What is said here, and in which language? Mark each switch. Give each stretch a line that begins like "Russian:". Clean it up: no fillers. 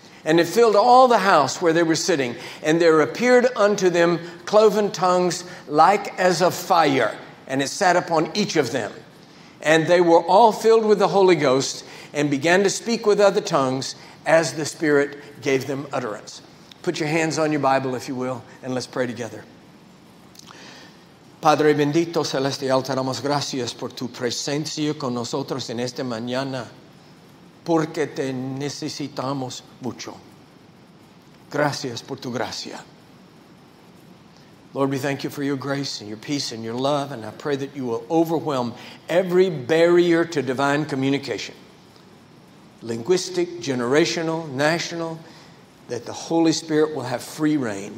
English: And it filled all the house where they were sitting. And there appeared unto them cloven tongues like as of fire. And it sat upon each of them. And they were all filled with the Holy Ghost and began to speak with other tongues as the Spirit gave them utterance. Put your hands on your Bible, if you will, and let's pray together.
Spanish: Padre bendito celestial, te damos gracias por tu presencia con nosotros en esta mañana, porque te necesitamos mucho. Gracias por tu gracia.
English: Lord, we thank you for your grace and your peace and your love, and I pray that you will overwhelm every barrier to divine communication, linguistic, generational, national, that the Holy Spirit will have free reign.